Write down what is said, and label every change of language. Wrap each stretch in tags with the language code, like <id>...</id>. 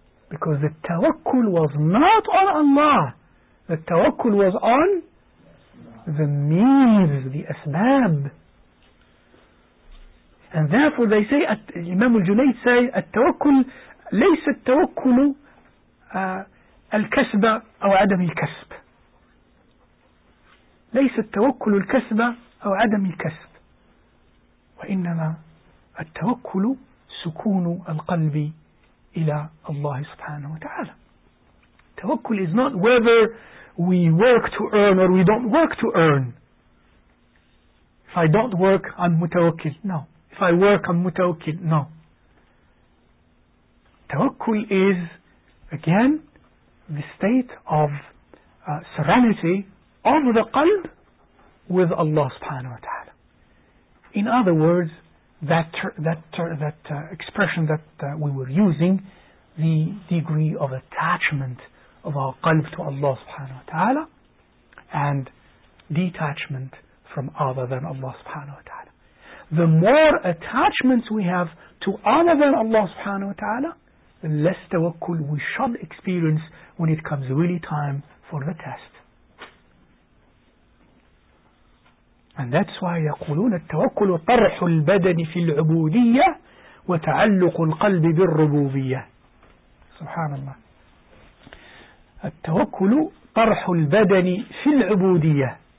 <en>Because the tawakkul was not on Allah. The tawakkul was on the means, the asbab. And therefore they say, Imam al-Junayd say,</en> <ar>التوكل ليس التوكل الكسب أو عدم الكسب. ليس التوكل الكسب أو عدم الكسب. وإنما التوكل سكون القلب إلى الله سبحانه وتعالى.</ar> <en>توكل is not whether we work to earn or we don't work to earn. If I don't work, I'm متوكل. No. If I work, I'm متوكل. No. توكل is, again, the state of serenity of the قلب with Allah سبحانه وتعالى. In other words, that expression we were using, the degree of attachment of our qalb to Allah subhanahu wa ta'ala and detachment from other than Allah subhanahu wa ta'ala. The more attachments we have to other than Allah subhanahu wa ta'ala, the less tawakkul we shall experience when it comes really time for the test. And that's why</en> <ar>يقولون التوكل طرح البدن في العبودية وتعلق القلب بالربوبية. سبحان الله. التوكل طرح البدن في العبودية.</ar>